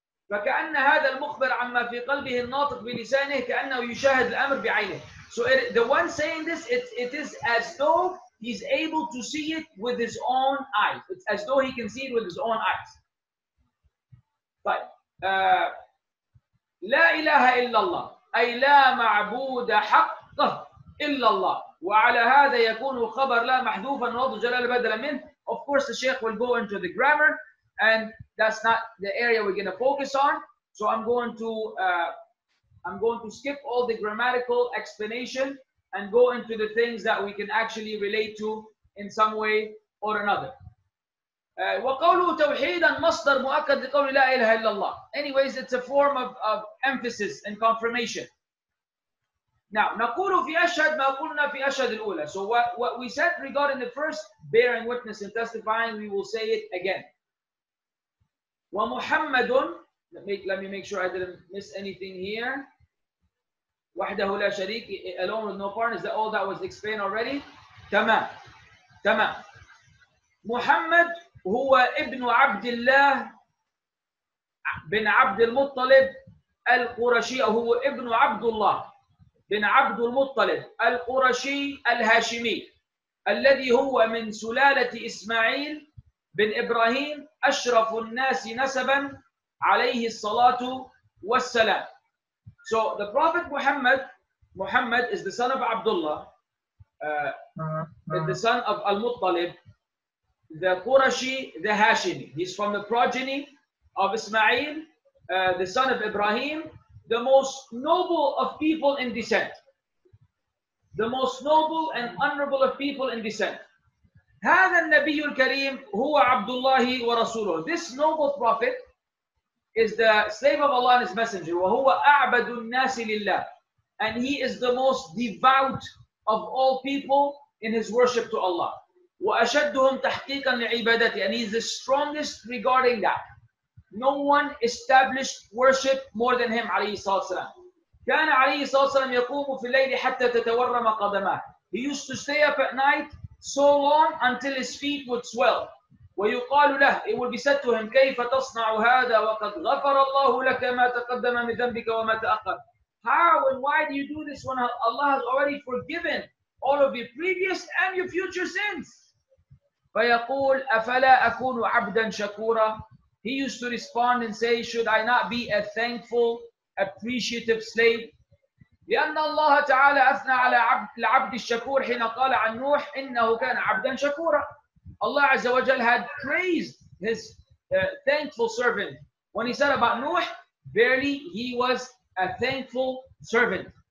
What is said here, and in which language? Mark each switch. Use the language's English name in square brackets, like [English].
[Arabic] فكأن هذا المخبر عما في قلبه الناطق بلسانه كأنه يشاهد الأمر بعينه. [English] So the one saying this, it is as though he's able to see it with his own eyes. It's as though he can see it with his own eyes. [Arabic] طيب. لا إله إلا الله أي لا معبود حق إلا الله. وعلى هذا يكون الخبر لا محذوفا وضع جلال بدلا منه. [English] Of course the Shaykh will go into the grammar, and that's not the area we're going to focus on. So I'm going to skip all the grammatical explanation and go into the things that we can actually relate to in some way or another. [Arabic] وَقَوْلُهُ تَوْحِيدًا مَصْدَرْ مُؤَكَّدْ لِقَوْلِ لَا إِلْهَ إِلَّا اللَّهِ. [English] Anyways, it's a form of emphasis and confirmation. [Arabic] Now, نَقُولُ فِي أَشْهَدْ مَا قُلْنَا فِي أَشْهَدِ الْأُولَى. [English] So what we said regarding the first bearing witness and testifying, we will say it again. وَمُحَمَّدٌ, let me make sure I didn't miss anything here. [Arabic] وَحْدَهُ لَا شَرِيكِ, [English] alone with no partners, that all that was explained already. [Arabic] تمام, تمام. محمد هو ابن عبد الله بن عبد المطلب القرشي, أو هو ابن عبد الله بن عبد المطلب القرشي الهاشمي الذي هو من سلالة إسماعيل بن إبراهيم أشرف الناس نسبا عليه الصلاة والسلام. [English] So the Prophet Muhammad is the son of Abdullah, the son of Al-Muttalib, the Qurashi, the Hashimi. He's from the progeny of Ismail, the son of Ibrahim, the most noble of people in descent. The most noble and honorable of people in descent. [Arabic] هذا النبي الكريم هو عبد الله ورسوله. [English] This noble prophet is the slave of Allah and his messenger. [Arabic] وهو أعبد الناس لله. [English] And he is the most devout of all people in his worship to Allah. [Arabic] وأشدهم تحقيقا لعبادته. [English] And he's the strongest regarding that. no one established worship more than him, alayhi salatu wasalam. [Arabic] كَانَ عَلَيْهِ صَلَى اللَّهُ عَلَيْهِ يَقُومُ فِي اللَّيْلِ حَتَّى تَتَوَرَّمَ قَدَمَهُ. [English] He used to stay up at night so long until his feet would swell. [Arabic] وَيُقَالُ لَهُ, [English] it would be said to him, [Arabic] كَيْفَ تَصْنَعُ هَذَا وَقَدْ غَفَرَ اللَّهُ لَكَ مَا تَقَدَّمَ مِنْ ذَنْبِكَ وَمَا تَأَخَّرَ. [English] How and why do you do this when Allah has already forgiven all of your previous and your future sins? [Arabic] فَيَقُولُ أَفَلَا أَكُونُ عَبْدًا شَكُورًا. [English] He used to respond and say, should I not be a thankful, appreciative slave? [Arabic] لِأَنَّ اللَّهَ تَعَالَى أَثْنَى عَلَى الْعَبْدِ الشَّكُورِ حِنَ قَالَ عَنْ نُوحِ إِنَّهُ كَانَ عَبْدًا شَكُورًا. [English] Allah Azza wa Jal had praised his thankful servant when he said about Nuh, verily he was a thankful servant.